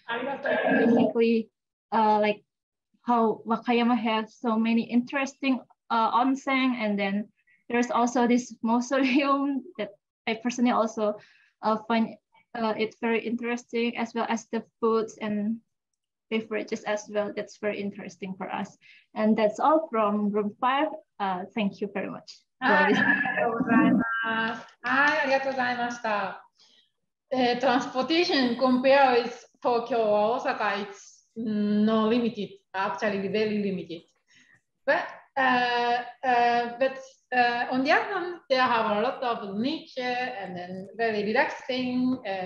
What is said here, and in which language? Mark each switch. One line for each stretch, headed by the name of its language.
English: Basically, like how Wakayama has so many interesting onsen, and then there's also this mausoleum that I personally also find it very interesting, as well as the foods and beverages as well. That's very interesting for us. And that's all from room 5. Thank you very much.
Japanese: Hi, ありがとうございました.
English: Transportation compared with Tokyo or Osaka, it's not limited, actually very limited. But on the other hand, they have a lot of nature and then very relaxing.